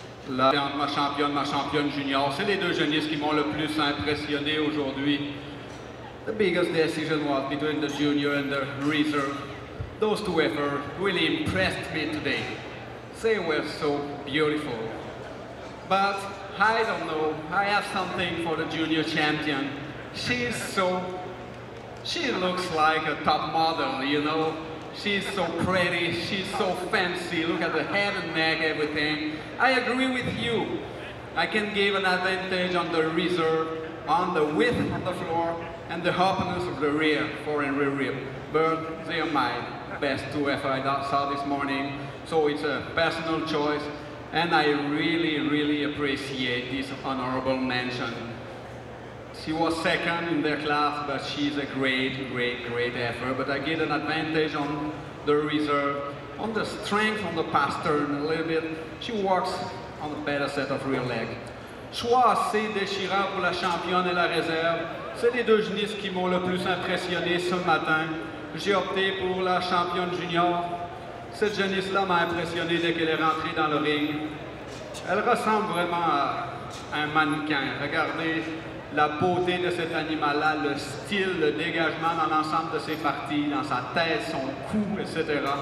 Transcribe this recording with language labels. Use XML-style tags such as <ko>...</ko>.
<fr>Là, entre ma championne junior, c'est les deux jeunesses qui m'ont le plus impressionné aujourd'hui.</fr> <en>The biggest decision was between the junior and the reserve. Those two efforts really impressed me today. They were so beautiful. But I don't know, I have something for the junior champion. She looks like a top model, you know. She's so pretty, she's so fancy, look at the head and neck, everything. I agree with you. I can give an advantage on the reserve, on the width on the floor, and the openness of the rear, fore and rear rib. But they are my best two heifers I saw this morning, so it's a personal choice, and I really, really appreciate this honorable mention. She was second in their class, but she's a great, great, great heifer. But I get an advantage on the reserve, on the strength, on the pastern a little bit. She works on a better set of rear leg.</en> <fr>Choix assez déchirant pour la championne et la réserve. C'est les deux jeunesses qui m'ont le plus impressionné ce matin. J'ai opté pour la championne junior. Cette jeunesse-là m'a impressionné dès qu'elle est rentrée dans le ring. Elle ressemble vraiment à un mannequin. Regardez la beauté de cet animal-là, le style, le dégagement dans l'ensemble de ses parties, dans sa tête, son cou, etc.</fr>